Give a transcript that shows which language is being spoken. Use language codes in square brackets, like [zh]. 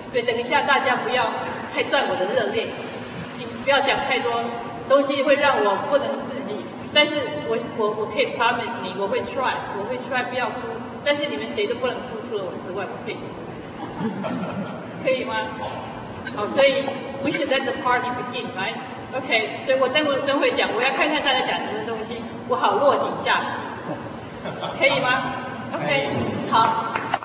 [zh] 所以等一下大家不要太赚我的热烈，请不要讲太多东西会让我不能自理，但是我可以 promise 你，我会 try 不要哭，但是你们谁都不能哭除了我之外，我可以可以吗？好，所以 [en] we should let the party begin, right? [zh] OK, 所以我等会讲，我要看看大家讲什么东西，我好落井下石，可以吗？ OK, 好。